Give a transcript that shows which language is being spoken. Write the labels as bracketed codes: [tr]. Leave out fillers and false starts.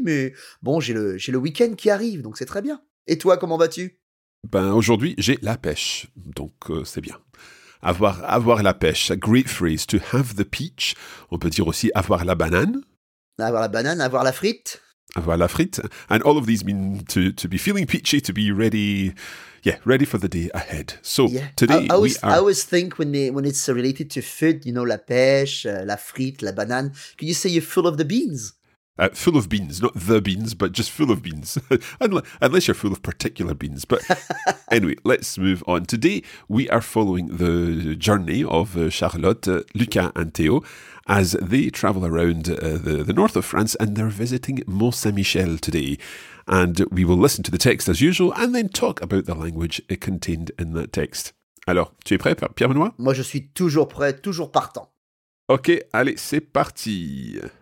[fr] Mais bon, j'ai le week-end qui arrive, donc c'est très bien. Et toi, comment vas-tu ? Ben, aujourd'hui, j'ai la pêche, donc c'est bien. Avoir la pêche, [en] a great phrase, to have the peach. [fr] On peut dire aussi avoir la banane. Avoir la banane, avoir la frite. Avoir la frite. [en] And all of these mean to be feeling peachy, to be ready, yeah, ready for the day ahead. So yeah. I always think when it's related to food, you know, [fr] la pêche, la frite, la banane. [en] Can you say you're full of the beans? Full of beans, not the beans, but just full of beans. Unless you're full of particular beans. But anyway, let's move on. Today, we are following the journey of Charlotte, Lucas and Théo as they travel around the north of France and they're visiting Mont-Saint-Michel today. And we will listen to the text as usual and then talk about the language contained in that text. [fr] Alors, tu es prêt, Pierre-Benoît? Moi, je suis toujours prêt, toujours partant. Ok, allez, c'est parti.